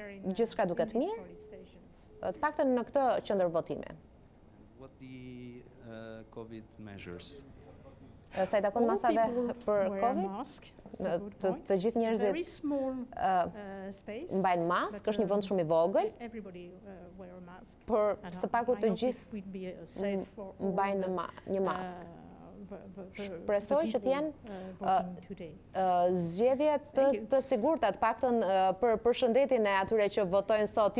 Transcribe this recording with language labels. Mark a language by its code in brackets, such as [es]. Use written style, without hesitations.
[sq] Gjithçka duket mirë. Të paktën në këtë qendër votimi. [en] What the COVID measures? [sq] Sa i takon masave për COVID? Të gjithë njerëzit mbajnë mask, është një vend shumë i vogël. Por së paku të gjithë mbajnë një mask. Shpresoj që t'jenë zgjedhje të sigurta, të paktën për shëndetin e atyre që votojnë sot.